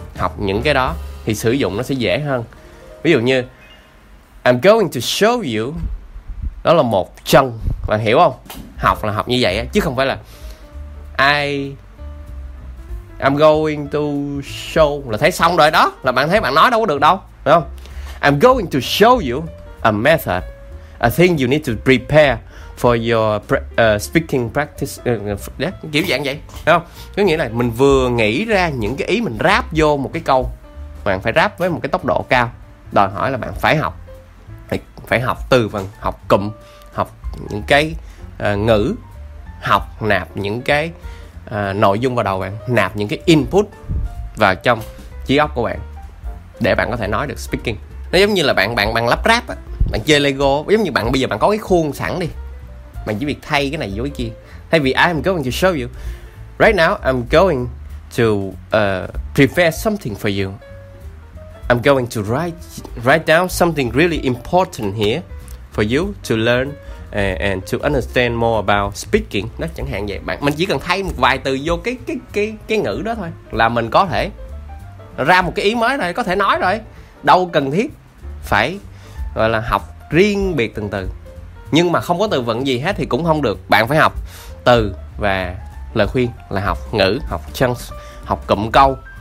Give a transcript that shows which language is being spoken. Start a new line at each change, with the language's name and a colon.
Vietnamese: Học những cái đó thì sử dụng nó sẽ dễ hơn. Ví dụ như
English: I'm going to show you,
Vietnamese: đó là một chunk, bạn hiểu không? Học là học như vậy á, chứ không phải là
English: I'm going to show
Vietnamese: là thấy xong rồi đó, là bạn thấy bạn nói đâu có được đâu, phải không?
English: I'm going to show you a method, a thing you need to prepare for your speaking practice,
Vietnamese: kiểu dạng vậy, thấy không? Có nghĩa là mình vừa nghĩ ra những cái ý mình ráp vô một cái câu, bạn phải ráp với một cái tốc độ cao, đòi hỏi là bạn phải học, phải học từ vựng, học cụm, học những cái ngữ, học nạp những cái nội dung vào đầu bạn, nạp những cái input vào trong trí óc của bạn để bạn có thể nói được speaking. Nó giống như là bạn lắp ráp á, bạn chơi Lego, giống như bạn bây giờ bạn có cái khuôn sẵn đi, bạn chỉ việc thay cái này với cái kia. Thay vì
English: I'm going to show you right now, I'm going to prepare something for you, I'm going to write down something really important here for you to learn and to understand more about speaking.
Vietnamese: Nó chẳng hạn vậy bạn. Mình chỉ cần thay một vài từ vô cái ngữ đó thôi là mình có thể ra một cái ý mới rồi, có thể nói rồi, đâu cần thiết phải gọi là học riêng biệt từng từ. Nhưng mà không có từ vựng gì hết thì cũng không được, bạn phải học từ và lời khuyên là học ngữ, học chunks, học cụm câu.